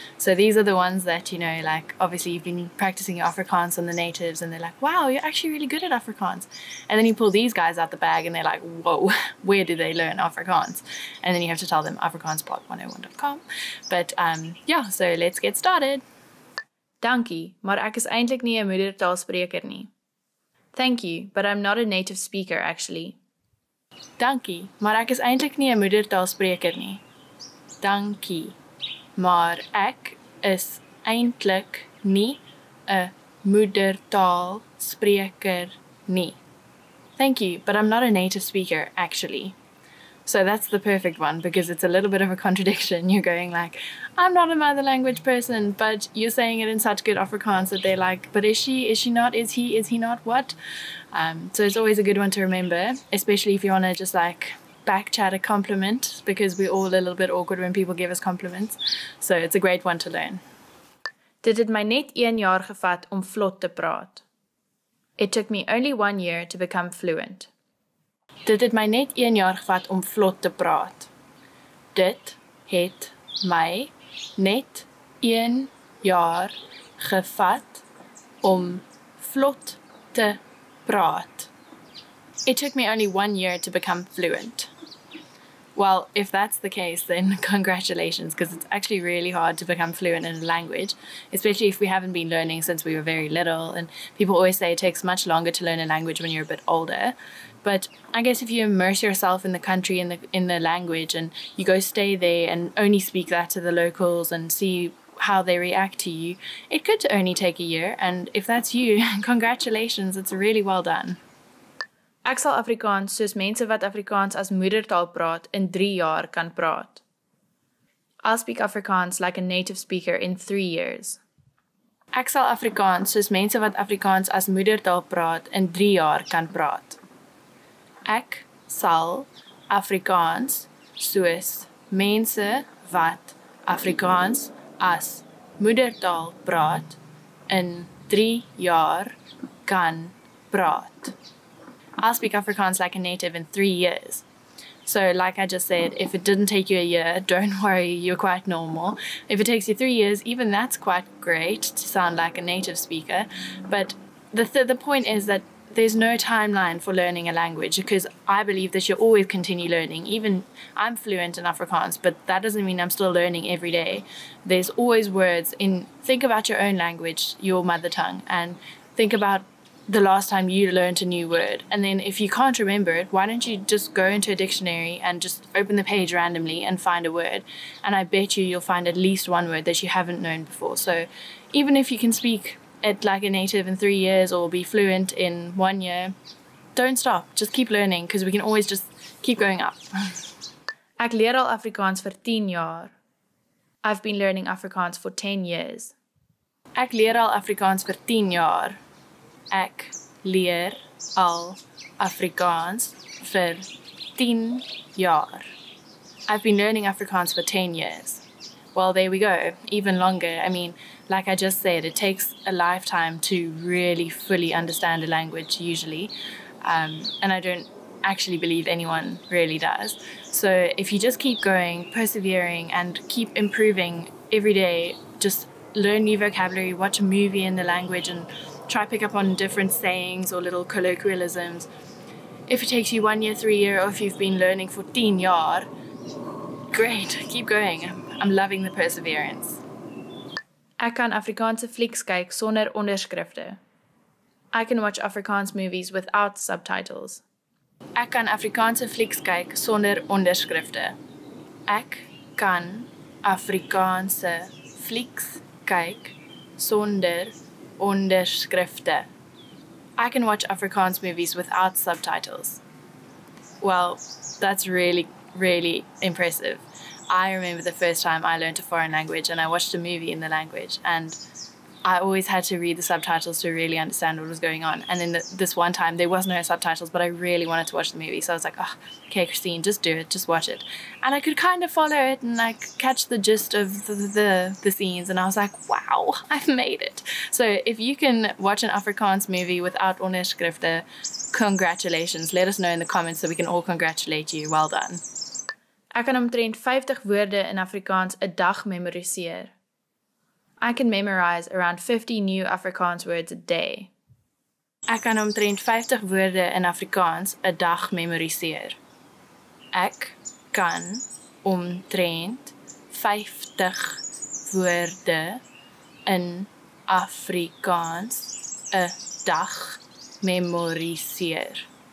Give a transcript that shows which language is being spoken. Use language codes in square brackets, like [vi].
[en] So these are the ones that, you know, like obviously you've been practicing your Afrikaans on the natives and they're like, wow, you're actually really good at Afrikaans. And then you pull these guys out the bag and they're like, whoa, where do they learn Afrikaans? And then you have to tell them AfrikaansPod101.com. But yeah, so let's get started. [af] Dankie, maar ek is eintlik nie 'n moedertaalspreker nie. [en] Thank you, but I'm not a native speaker, actually. [af] Dankie, maar ek is eintlik nie 'n moedertaalspreker nie. Dankie, maar ek is eintlik nie 'n moedertaalspreker nie. [en] Thank you, but I'm not a native speaker, actually. So that's the perfect one, because it's a little bit of a contradiction. You're going like, I'm not a mother language person, but you're saying it in such good Afrikaans that they're like, but is she not, is he not, what? So it's always a good one to remember, especially if you want to just like back chat a compliment, because we're all a little bit awkward when people give us compliments. So it's a great one to learn. [af] Dit het my net 1 jaar gevat om vlot te praat. [en] It took me only 1 year to become fluent. [af] Dit het my net 1 jaar gevat om vlot te praat. Dit het my net 1 jaar gevat om vlot te praat. [en] It took me only 1 year to become fluent. Well, if that's the case, then congratulations, because it's actually really hard to become fluent in a language, especially if we haven't been learning since we were very little. And people always say it takes much longer to learn a language when you're a bit older. But I guess if you immerse yourself in the country, in the language, and you go stay there and only speak that to the locals and see how they react to you, it could only take a year. And if that's you, congratulations, it's really well done. [af] Ek sal Afrikaans soos mense wat Afrikaans as moedertaal praat in 3 jaar kan praat. [en] I'll speak Afrikaans like a native speaker in 3 years. [af] Ek sal Afrikaans soos mense wat Afrikaans as moedertaal praat in 3 jaar kan praat. Ek sal Afrikaans soos mense wat Afrikaans as moedertaal praat in 3 jaar kan praat. [en] I'll speak Afrikaans like a native in 3 years. So like I just said, if it didn't take you a year, don't worry, you're quite normal. If it takes you 3 years, even that's quite great to sound like a native speaker. But the point is that there's no timeline for learning a language, because I believe that you always continue learning. Even I'm fluent in Afrikaans, but that doesn't mean I'm still learning every day. There's always words in, think about your own language, your mother tongue, and think about the last time you learned a new word? And then if you can't remember it, why don't you just go into a dictionary and just open the page randomly and find a word? And I bet you you'll find at least one word that you haven't known before. So even if you can speak it like a native in 3 years or be fluent in 1 year, don't stop. Just keep learning, because we can always just keep going up. [af] Ek leer al Afrikaans vir 10 jaar. [en] I've been learning Afrikaans for 10 years. [af] Ek leer al Afrikaans vir 10 jaar. Ek leer al Afrikaans vir 10 jaar. [en] I've been learning Afrikaans for 10 years. Well, there we go. Even longer. I mean, like I just said, it takes a lifetime to really fully understand a language, usually. And I don't actually believe anyone really does. So if you just keep going, persevering, and keep improving every day, just learn new vocabulary, watch a movie in the language, and try pick up on different sayings or little colloquialisms. If it takes you 1 year, 3 year, or if you've been learning for [af] 10 jaar, [en] great, keep going. I'm loving the perseverance. [af] Ek kan Afrikaanse flieks kyk sonder onderskrifte. [en] I can watch Afrikaans movies without subtitles. [af] Ek kan Afrikaanse flieks kyk sonder onderskrifte. Ek kan Afrikaanse flieks kyk sonder onderskrifte. [en] I can watch Afrikaans movies without subtitles. Well, that's really, really impressive. I remember the first time I learned a foreign language and I watched a movie in the language, and I always had to read the subtitles to really understand what was going on. And then this one time there was no subtitles, but I really wanted to watch the movie. So I was like, oh, okay, Christine, just do it. Just watch it. And I could kind of follow it and like catch the gist of the scenes. And I was like, wow, I've made it. So if you can watch an Afrikaans movie without onderskrifte, congratulations. Let us know in the comments so we can all congratulate you. Well done. [af] Ek kan omtrent 50 woorde in Afrikaans 'n dag memoriseer. [en] I can memorize around 50 new Afrikaans words a day. [af] Ek kan omtrent 50 woorde in Afrikaans 'n dag memoriseer. Ek kan omtrent 50 woorde in Afrikaans 'n dag memoriseer.